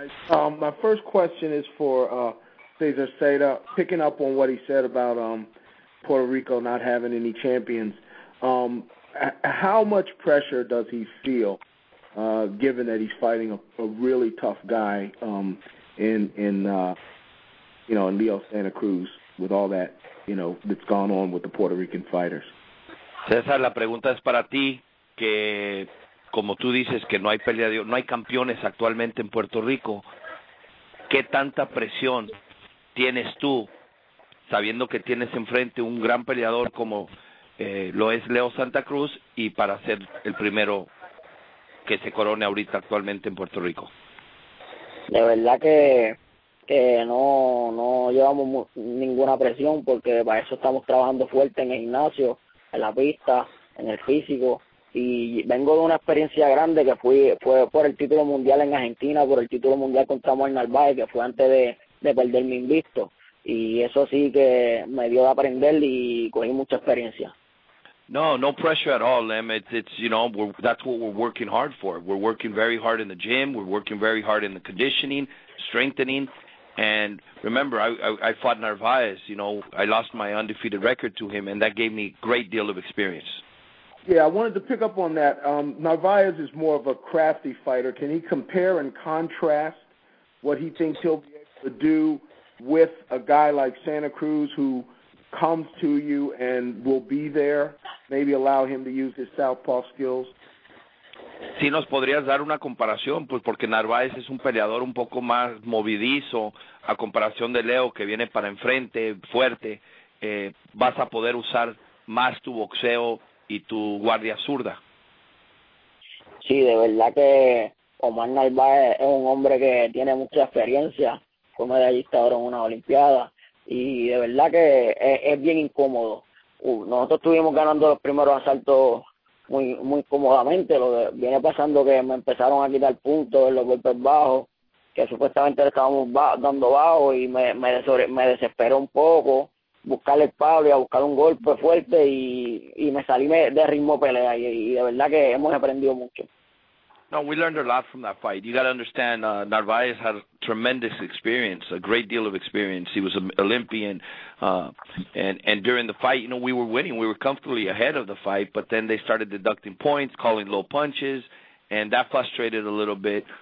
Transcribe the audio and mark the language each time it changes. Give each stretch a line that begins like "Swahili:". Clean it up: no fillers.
English: My first question is for Cesar Seda, picking up on what he said about Puerto Rico not having any champions. How much pressure does he feel, given that he's fighting a really tough guy in Leo Santa Cruz? With all that, you know, that's gone on with the Puerto Rican fighters.
Spanish: César, la pregunta es para ti, que como tú dices que no hay pelea, no hay campeones actualmente en Puerto Rico. ¿Qué tanta presión tienes tú, sabiendo que tienes enfrente un gran peleador como lo es Leo Santa Cruz y para ser el primero que se corone ahorita actualmente en Puerto Rico? De verdad que. No llevamos ninguna presión porque para eso estamos trabajando fuerte en el gimnasio, en la pista, en el físico. Y vengo de una experiencia grande que fue por el título mundial en Argentina, por el título mundial contra Omar Narváez, que fue antes de perder mi invicto. Y eso sí que me dio de aprender y cogí mucha experiencia.
English: No pressure at all, Lem. It's you know, that's what we're working hard for. We're working very hard in the gym. We're working very hard in the conditioning, strengthening. And remember, I fought Narvaez, you know, I lost my undefeated record to him, and that gave me a great deal of experience. Yeah, I wanted to pick up on that. Narvaez is more of a crafty fighter. Can he compare and contrast what he thinks he'll be able to do with a guy like Santa Cruz who comes to you and will be there, maybe allow him to use his southpaw skills?
Spanish: Sí, nos podrías dar una comparación, pues porque Narváez es un peleador un poco más movidizo a comparación de Leo, que viene para enfrente, fuerte. ¿Vas a poder usar más tu boxeo y tu guardia zurda? Sí, de verdad que Omar Narváez es un hombre que tiene mucha experiencia, fue medallista ahora en una olimpiada, y de verdad que es bien incómodo. Nosotros estuvimos ganando los primeros asaltos muy muy cómodamente. Lo que viene pasando que me empezaron a quitar puntos en los golpes bajos, que supuestamente le estábamos dando bajo, y me desesperó un poco, buscar el paro y a buscar un golpe fuerte y me salí de ritmo pelea y de verdad que hemos aprendido mucho.
English: No, we learned a lot from that fight. You got to understand, Narvaez had a tremendous experience, a great deal of experience. He was an Olympian, and during the fight, you know, we were winning. We were comfortably ahead of the fight, but then they started deducting points, calling low punches, and that frustrated a little bit.